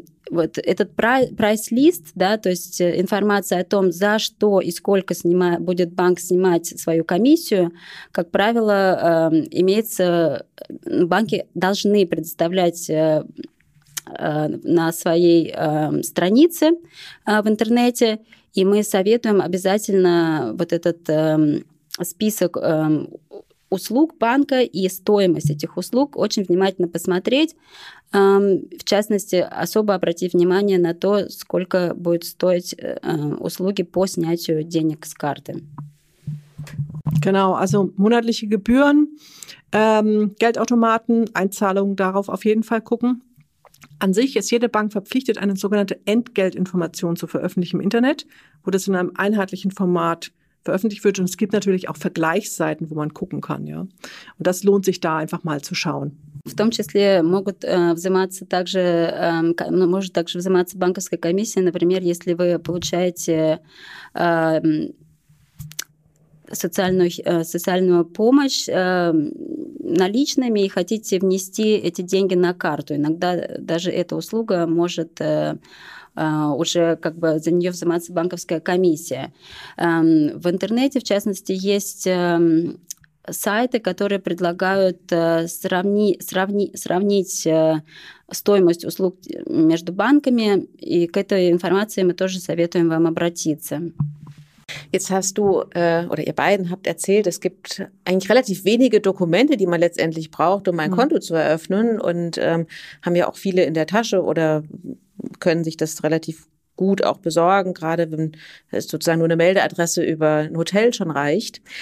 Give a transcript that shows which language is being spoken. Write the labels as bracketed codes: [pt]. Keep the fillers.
[ru] вот этот прайс-лист, да, то есть информация о том, за что и сколько снима, будет банк снимать свою комиссию, как правило, э, имеется, банки должны предоставлять э, на своей э, странице э, в интернете, и мы советуем обязательно вот этот э, список э, услуг банка и стоимость этих услуг очень внимательно посмотреть. В частности, особо обратив внимание на то, сколько будет стоить услуги по снятию денег с карты. [de] Genau, also monatliche Gebühren, ähm, Geldautomaten, Einzahlungen darauf auf jeden Fall gucken. An sich ist jede Bank verpflichtet, eine sogenannte Entgeltinformation zu veröffentlichen im Internet, wo das in einem einheitlichen Format veröffentlicht wird. Und es gibt natürlich auch Vergleichsseiten, wo man gucken kann, ja. Und das lohnt sich da einfach mal zu schauen. [ru] В том числе могут э, взиматься также, э, может также взиматься банковская комиссия, например, если вы получаете э, социальную, э, социальную помощь э, наличными и хотите внести эти деньги на карту. Иногда даже эта услуга может э, уже как бы за нее взиматься банковская комиссия. В интернете, в частности, есть сайты, которые предлагают сравни, сравни, сравнить стоимость услуг между банками, и к этой информации мы тоже советуем вам обратиться. [de] Jetzt hast du äh, oder ihr beiden habt erzählt, es gibt eigentlich relativ wenige Dokumente, die man letztendlich braucht, um ein mhm. Konto zu eröffnen und ähm, haben ja auch viele in der Tasche oder können sich das relativ gut auch besorgen, gerade wenn es sozusagen nur eine Meldeadresse über ein Hotel schon reicht.